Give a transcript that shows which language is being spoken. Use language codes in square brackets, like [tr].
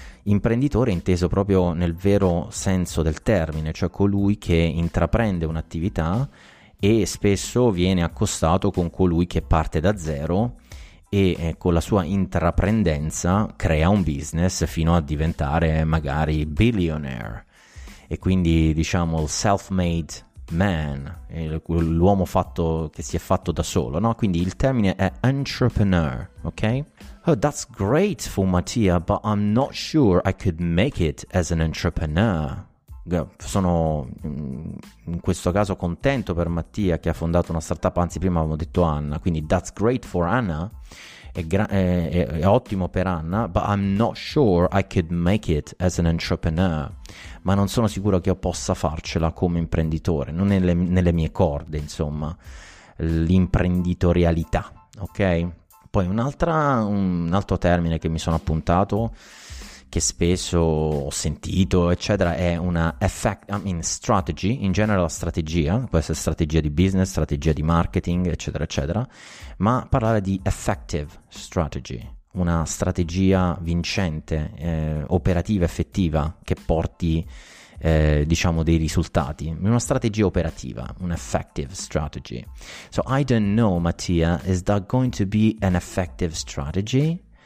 [it] Imprenditore inteso proprio nel vero senso del termine, cioè colui che intraprende un'attività e spesso viene accostato con colui che parte da zero e con la sua intraprendenza crea un business fino a diventare magari billionaire. E quindi, diciamo, il self-made man, l'uomo fatto che si è fatto da solo, no? Quindi il termine è entrepreneur, ok? [en] Oh, that's great for Mattia, but I'm not sure I could make it as an entrepreneur. [it] Sono in questo caso contento per Mattia che ha fondato una startup, anzi prima avevo detto Anna, quindi [en] that's great for Anna, [it] è ottimo per Anna, [en] but I'm not sure I could make it as an entrepreneur. [it] Ma non sono sicuro che io possa farcela come imprenditore, non nelle mie corde, insomma, l'imprenditorialità, ok? Poi un altro termine che mi sono appuntato, che spesso ho sentito, eccetera, è una strategy, in genere la strategia, può essere strategia di business, strategia di marketing, eccetera, eccetera, ma parlare di effective strategy, una strategia vincente, operativa, effettiva, che porti, diciamo, dei risultati, una strategia operativa, un effective strategy. [en] So I don't know, Mattia, is that going to be an effective strategy?